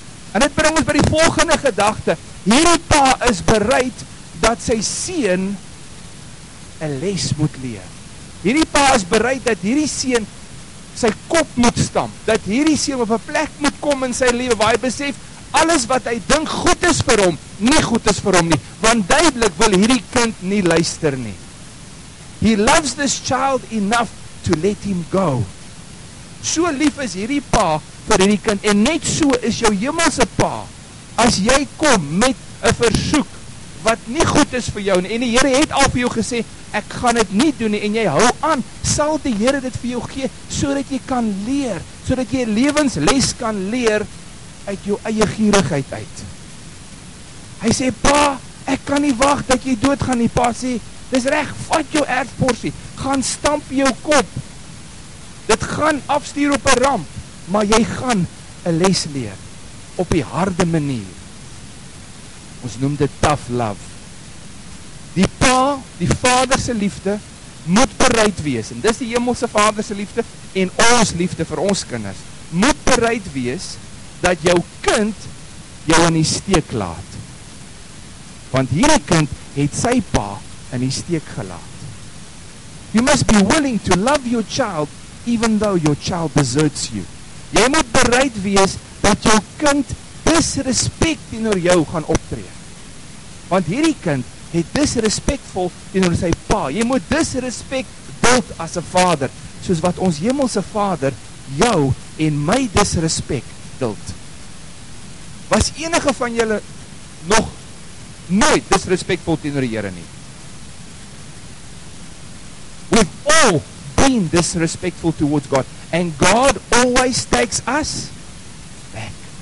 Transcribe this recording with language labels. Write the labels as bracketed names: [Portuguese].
[Afrikaans] En dit bring ons by die volgende gedagte, hierdie pa is bereid dat sy seun 'n les moet leer. Hierdie pa is bereid dat hierdie seun sy kop moet stamp, dat hierdie seun op 'n plek moet kom in sy lewe waar hy besef, alles wat hy dink goed is vir hom, nie goed is vir hom nie, want duidelik wil hierdie kind nie luister nie. [English] He loves this child enough to let him go. [Afrikaans] So lief is hierdie pa vir hierdie kind, en net so is jou hemelse pa, as jy kom met 'n versoek, wat nie goed is vir jou, nie. En die Here het al vir jou gesê, ek gaan dit nie doen nie, en jy hou aan, sal die Here dit vir jou gee, so dat jy kan leer, so dat jy lewensles kan leer, uit jou eie gierigheid uit. Hy sê, pa, ek kan nie wacht, dat jy dood gaan nie, pa sê, dis reg, vat jou erfporsie, gaan stamp jou kop, dit gaan afstuur op 'n ramp, maar jy gaan 'n les leer, op die harde manier. Ons noem dit [English] tough love. [Afrikaans] Die pa, die vader se liefde, moet bereid wees, en dis die hemelse vader se liefde, en ons liefde vir ons kinders, moet bereid wees, dat jou kind, jou in die steek laat. Want hierdie kind, het sy pa, in die steek gelaat. [English] You must be willing to love your child, even though your child deserts you. [Afrikaans] Jy moet bereid wees dat jou kind disrespect teenoor jou gaan optree. Want hierdie kind het disrespekvol teenoor sy pa. Jy moet disrespek bid as 'n vader, soos wat ons hemelse vader jou en my disrespek bid. Was enige van julle nog nooit disrespekvol teenoor die Here nie? [English] We've all been disrespectful towards God, and God always takes us back.